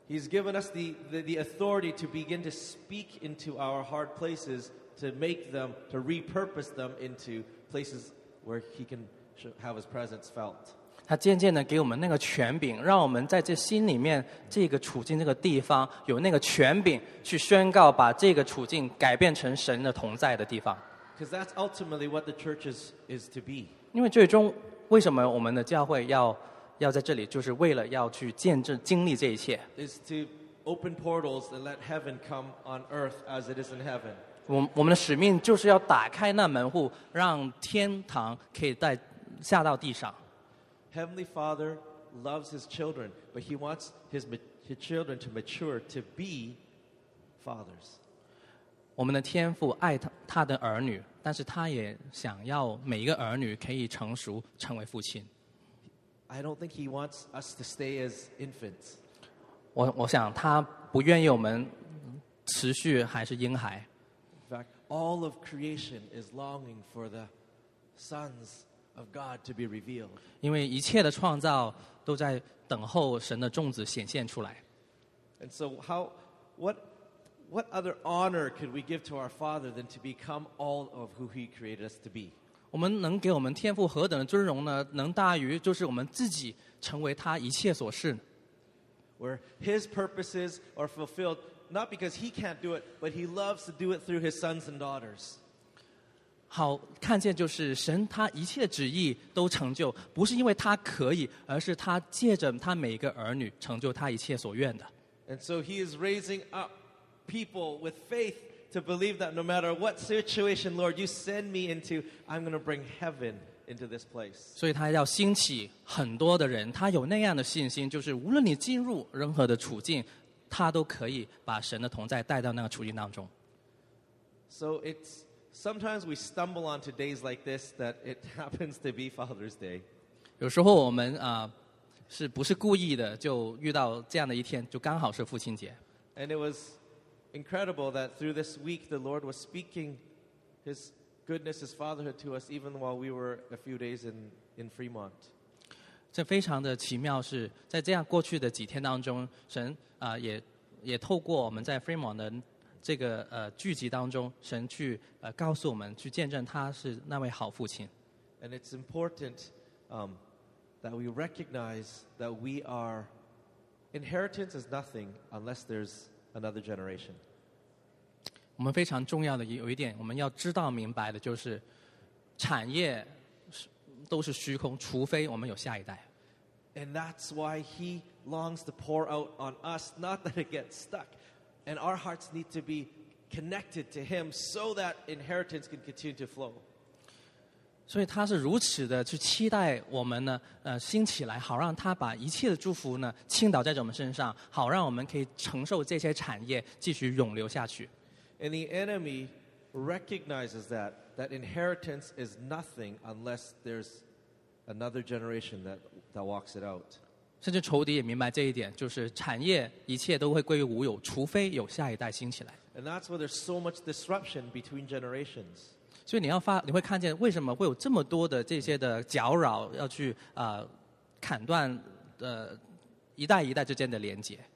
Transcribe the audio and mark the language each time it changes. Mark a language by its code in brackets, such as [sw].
[en] He's given us the authority to begin to speak into our hard places, to make them, to repurpose them into places where he can have his presence felt. [zh] 他渐渐地给我们那个权柄，让我们在这心里面这个处境这个地方有那个权柄去宣告，把这个处境改变成神的同在的地方。 [en] Because that's ultimately what the church is to be. [zh] 因为最终为什么我们的教会要在这里，就是为了要去见证经历这一切。 [en] Is to open portals and let heaven come on earth as it is in heaven. [zh] 我们的使命就是要打开那门户，让天堂可以再下到地上。 [en] Heavenly Father loves his children, but he wants his children to mature to be fathers. [zh] 我们的天父爱他的儿女，但是他也想要每一个儿女可以成熟成为父亲。 [en] I don't think he wants us to stay as infants. [zh] 我想他不愿意我们持续还是婴孩。 [en] In fact, all of creation is longing for the sons. Of God to be revealed. [zh] 因为一切的创造都在等候神的种子显现出来。 [en] And so, what other honor could we give to our Father than to become all of who He created us to be? [zh] 我们能给我们天父何等的尊荣呢？能大于就是我们自己成为他一切所是。 [en] Where His purposes are fulfilled, not because He can't do it, but He loves to do it through His sons and daughters. [zh] 好看见就是神他一切旨意都成就，不是因为他可以，而是他借着他每一个儿女成就他一切所愿的。 [en] And so he is raising up people with faith to believe that no matter what situation, Lord, you send me into, I'm going to bring heaven into this place. [zh] 所以他要兴起很多的人，他有那样的信心，就是无论你进入任何的处境，他都可以把神的同在带到那个处境当中。 [en] So it'sSometimes we stumble onto days like this that it happens to be Father's Day. [zh] 有时候我们是不是故意的就遇到这样的一天，就刚好是父亲节。 [en] And it was incredible that through this week the Lord was speaking His goodness, His fatherhood to us even while we were a few days in Fremont. [zh] 这非常的奇妙，是在这样过去的几天当中，神也透过我们在 Fremont 的这个聚集当中，神去告诉我们，去见证他是那位好父亲。 [en] And it's important that we recognize that we are inheritance is nothing unless there's another generation. [zh] 我们非常重要的有一点，我们要知道明白的就是，产业都是虚空，除非我们有下一代。 [en] And that's why He longs to pour out on us, not that it gets stuck. And our hearts need to be connected to Him so that inheritance can continue to flow. [zh] 所以他是如此的去期待我们呢，兴起来，好让他把一切的祝福呢倾倒在我们身上，好让我们可以承受这些产业继续永留下去。 [en] And the enemy recognizes that inheritance is nothing unless there's another generation that walks it out. [zh] 甚至仇敌也明白这一点，就是产业一切都会归于无有，除非有下一代兴起来。 [en] And that's why there's so much disruption between generations. [zh] 所以你会看见为什么会有这么多的这些的搅扰，要去砍断一代一代之间的连接。